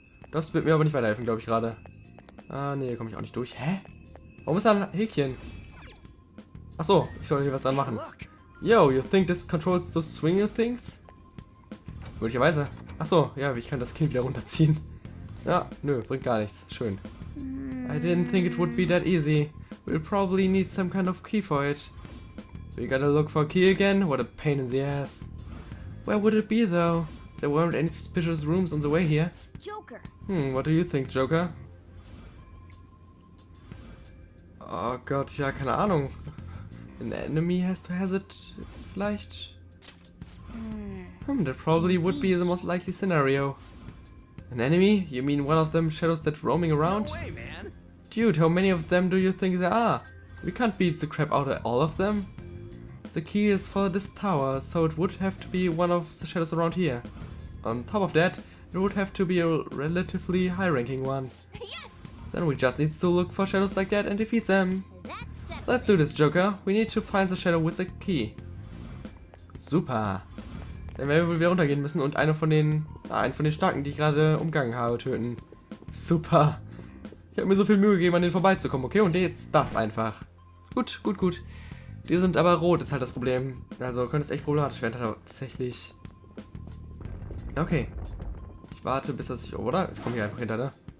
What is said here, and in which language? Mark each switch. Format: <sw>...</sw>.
<de>Das wird mir aber nicht weiterhelfen, glaube ich gerade. Ah, ne, hier komme ich auch nicht durch. Hä? Warum ist da ein Häkchen? Achso, ich soll hier was dran machen.</de> <en>Hey, yo, you think this controls the swinging things?</en> <de>Möglicherweise. Achso, ja, ich kann das Kind wieder runterziehen. Ja, nö, bringt gar nichts. Schön.</de> <en>I didn't think it would be that easy. We'll probably need some kind of key for it. We gotta look for a key again? What a pain in the ass. Where would it be though? There weren't any suspicious rooms on the way here. Joker. What do you think, Joker?</en> <de>Oh Gott, ja, keine Ahnung.</de> <en>An enemy has to have it,</en> <de>vielleicht?</de> <en>That probably would be the most likely scenario. An enemy? You mean one of them shadows that roaming around? Dude, how many of them do you think there are? We can't beat the crap out of all of them. The key is for this tower, so it would have to be one of the shadows around here. On top of that, it would have to be a relatively high-ranking one. Yes! Then we just need to look for shadows like that and defeat them. That's Let's do this, Joker. We need to find the shadow with the key.</en> <de>Super. Dann werden wir wohl wieder runtergehen müssen und einen von den Starken, die ich gerade umgangen habe, töten. Super. Ich habe mir so viel Mühe gegeben, an denen vorbeizukommen, okay? Und jetzt das einfach. Gut, gut, gut. Die sind aber rot, ist halt das Problem. Also könnte es echt problematisch werden, tatsächlich. Okay. Ich warte, bis er sich... Oh, oder? Ich komme hier einfach hinter, ne?</de>